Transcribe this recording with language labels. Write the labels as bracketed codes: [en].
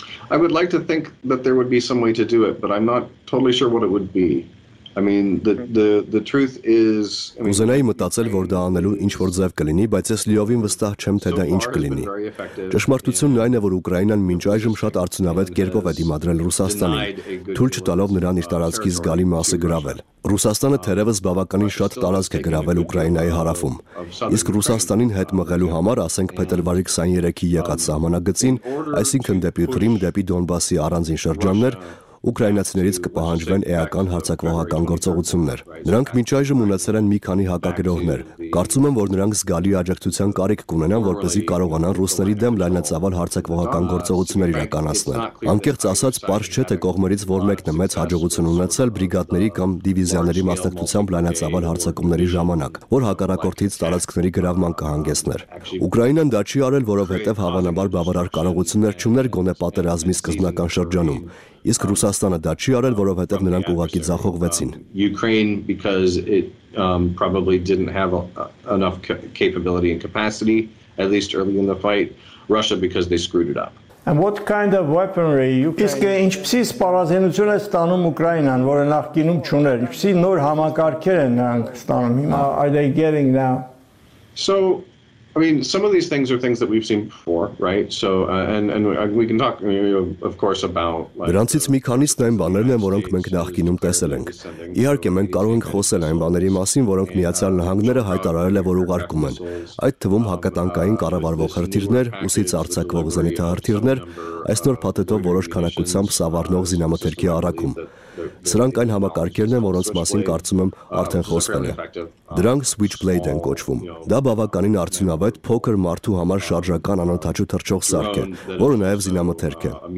[en] I would like to think that there would be some way to do it, but I'm not totally sure what it would be. I mean the truth is [hy] Ուզենայի մտածել, որ դա անելու ինչ որ ձև կլինի, բայց ես լիովին վստահ չեմ, թե դա ինչ կլինի։ Ճշմարտությունն այն է, որ Ուկրաինան մինչ այժմ շատ արդյունավետ կերպով է դիմադրել Ռուսաստանին, թույլ չտալով նրան իր տարածքի զգալի մասը գրավել։ Ռուսաստանը թերևս բավականին շատ տարածք է գրավել Ուկրաինայի հարավում։ Իսկ Ռուսաստանին հետ մղելու համար, ասենք փետրվարի 23-ի եկած սահմանագծին, այսինքն դեպի Կրիմ, դեպի Դոնբասի առանձին շրջաններ, Ուկրաինացիներից կպահանջվեն էական հարձակվողական գործողություններ։ Նրանք մինչ այժմ ունեցել են մի քանի հակագրողներ։ Կարծում եմ, որ նրանք զգալի աջակցության կարիք կունենան, որպեսզի կարողանան ռուսների դեմ լայնածավալ հարձակվողական գործողություններ իրականացնել։ Անկեղծ ասած, պարզ չէ, թե կողմերից ո՞ր մեկն է մեծ հաջողություն ունեցել բրիգադների կամ դիվիզիաների մասնակցությամբ լայնածավալ հարձակումների ժամանակ, որ հակառակորդից տարածքների գրավման կհանգեցներ։ Ուկրաինան դա չի արել, որովհետև հավանաբար բավարար կարողություններ չուներ գոնե պատերազմի սկզբնական շրջանում։ Իսկ Ռուսաստանը դա չի արել, որովհետև նրանք ուղակի զախողվեցին։ [en] Ukraine because it probably didn't have enough capability and capacity at least early in the fight. Russia because they screwed it up. And what kind of weaponry you [hy] Իսկ ինչպեսի սպառազինություն է ստանում Ուկրաինան, որը նախկինում չուներ։ Ինչպեսի նոր համակարգեր են նրանք ստանում հիմա? [en] Are they getting now? So I mean some of these things are things that we've seen before, right? So and we can talk of course about like [hy] Դրանցից մի քանիսն այն բաներն են, որոնք մենք նախկինում տեսել ենք։ Իհարկե մենք կարող ենք խոսել այն բաների մասին, որոնք Միացյալ Նահանգները հայտարարել է, որ ուղարկում են, այդ թվում հակատանկային կառավարվող հրթիռներ, ուսից արձակվող զենիթահրթիռներ, այս նոր փաթեթով որոշ քանակությամբ սավառնող զինամթերքի առաքում։ Սրանք այն համակարգերն են, որոնց մասին կարծում եմ արդեն խոսվել է։ Դրանք Switchblade են կոչվում։ Դա բավականին արդյունավետ փոքր մարդու համար շարժական անօթաչու թռչող սարք է, որը նաև զինամթերք է։